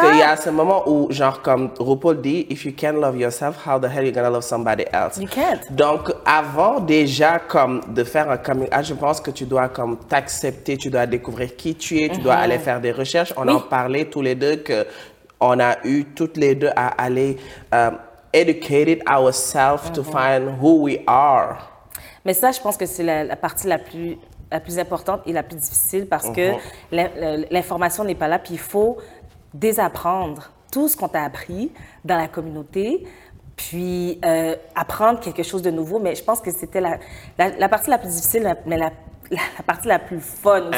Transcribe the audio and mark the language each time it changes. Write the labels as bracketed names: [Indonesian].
[French] Parce qu'il y a ce moment où, genre, comme RuPaul dit, [English] if you can't love yourself, how the hell you gonna love somebody else? You can't. [French] Donc, avant déjà, comme, de faire un coming out, je pense que tu dois, comme, t'accepter, tu dois découvrir qui tu es, tu mm-hmm. dois aller faire des recherches. On oui. en parlait tous les deux qu'on a eu toutes les deux à aller... [English] educated ourselves mm-hmm. to find who we are. [French] Mais ça, je pense que c'est la partie la plus importante et la plus difficile parce mm-hmm. que l'information n'est pas là. Puis il faut désapprendre tout ce qu'on t'a appris dans la communauté, puis apprendre quelque chose de nouveau. Mais je pense que c'était la partie la plus difficile, mais la partie la plus fun aussi.